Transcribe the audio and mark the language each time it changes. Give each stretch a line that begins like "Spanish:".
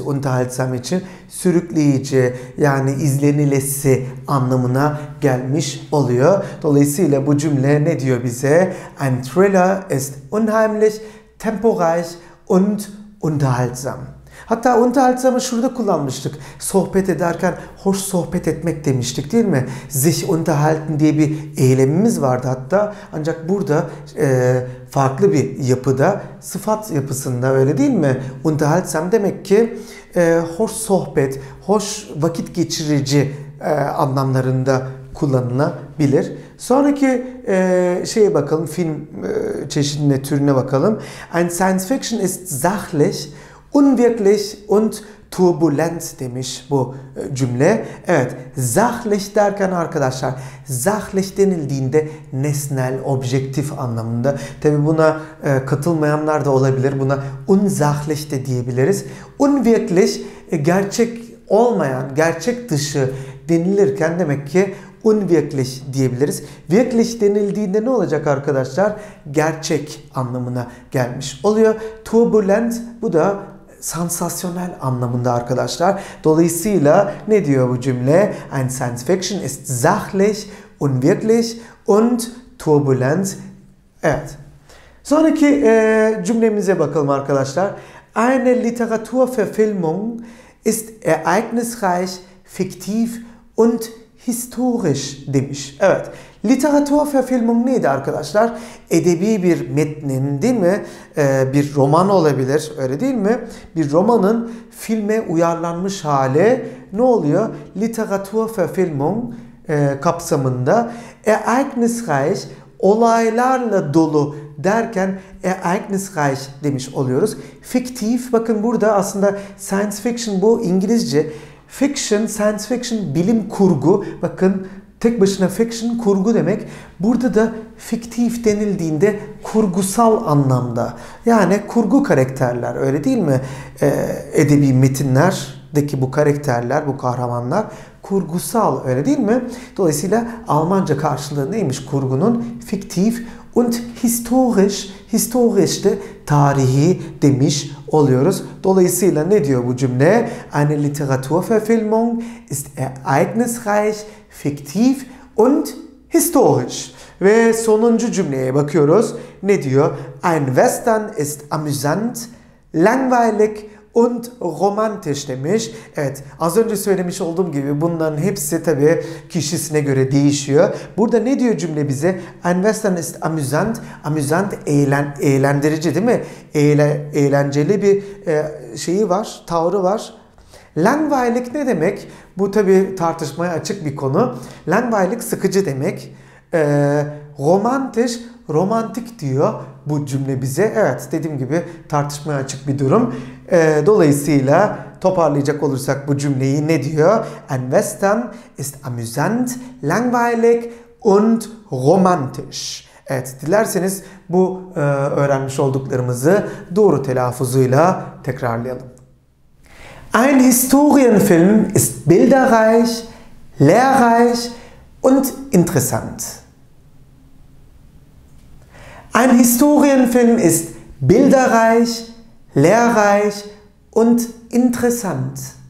Turkish: Unterhaltsam için sürükleyici, yani izlenilesi anlamına gelmiş oluyor. Dolayısıyla bu cümle ne diyor bize?
German: Ein Thriller ist unheimlich, temporeich und unterhaltsam.
Turkish: Hatta unterhaltsamı şurada kullanmıştık. Sohbet ederken hoş sohbet etmek demiştik değil mi? Sich unterhalten diye bir eylemimiz vardı hatta. Ancak burada farklı bir yapıda, sıfat yapısında, öyle değil mi? Unterhaltsam demek ki hoş sohbet, hoş vakit geçirici anlamlarında kullanılabilir. Sonraki şeye bakalım, film çeşidine, türüne bakalım.
German: Ein Science Fiction ist sachlich, unwirklich und turbulent
Turkish: demiş bu cümle. Evet, sachlich derken arkadaşlar, sachlich denildiğinde nesnel, objektif anlamında. Tabi buna katılmayanlar da olabilir. Buna unsachlich de diyebiliriz. Unwirklich, gerçek olmayan, gerçek dışı denilirken demek ki unwirklich diyebiliriz. Wirklich denildiğinde ne olacak arkadaşlar? Gerçek anlamına gelmiş oluyor. Turbulent, bu da sansasyonel anlamında arkadaşlar. Dolayısıyla ne diyor bu cümle?
German: Ein Science Fiction ist sachlich, unwirklich und turbulent.
Turkish: Evet. Sonraki cümlemize bakalım arkadaşlar.
German: Eine Literaturverfilmung ist ereignisreich, fiktif und historisch
Turkish: demiş. Evet. Literaturverfilmung neydi arkadaşlar? Edebi bir metnin, değil mi? Bir roman olabilir, öyle değil mi? Bir romanın filme uyarlanmış hali ne oluyor? Literaturverfilmung kapsamında ereignisreich, olaylarla dolu derken ereignisreich demiş oluyoruz. Fiktif, bakın burada aslında science fiction, bu İngilizce. Fiction, science fiction, bilim kurgu. Bakın tek başına fiction, kurgu demek. Burada da fiktif denildiğinde kurgusal anlamda. Yani kurgu karakterler, öyle değil mi? Edebi metinlerdeki bu karakterler, bu kahramanlar kurgusal, öyle değil mi? Dolayısıyla Almanca karşılığı neymiş kurgunun?
German: Fiktif und historisch,
Turkish: historisch de tarihi demiş oluyoruz. Dolayısıyla ne diyor bu cümle?
German: Eine Literaturverfilmung ist ereignisreich, fiktif und historisch.
Turkish: Ve sonuncu cümleye bakıyoruz. Ne diyor?
German: Ein Western ist amüsant, langweilig und romantisch
Turkish: demiş. Evet, az önce söylemiş olduğum gibi bunların hepsi tabii kişisine göre değişiyor. Burada ne diyor cümle bize?
German: Ein Western ist amüsant.
Turkish: Amüsant eğlendirici değil mi? Eğlenceli bir şeyi var, tavrı var. Langweilig ne demek? Bu tabii tartışmaya açık bir konu. Langweilig sıkıcı demek. Romantisch, romantik diyor bu cümle bize. Evet, dediğim gibi tartışmaya açık bir durum. Dolayısıyla toparlayacak olursak bu cümleyi ne diyor?
German: Ein Western ist amüsant, langweilig und romantisch.
Turkish: Evet, dilerseniz bu öğrenmiş olduklarımızı doğru telaffuzuyla tekrarlayalım.
German: Ein Historienfilm ist bilderreich, lehrreich und interessant. Ein Historienfilm ist bilderreich, lehrreich und interessant.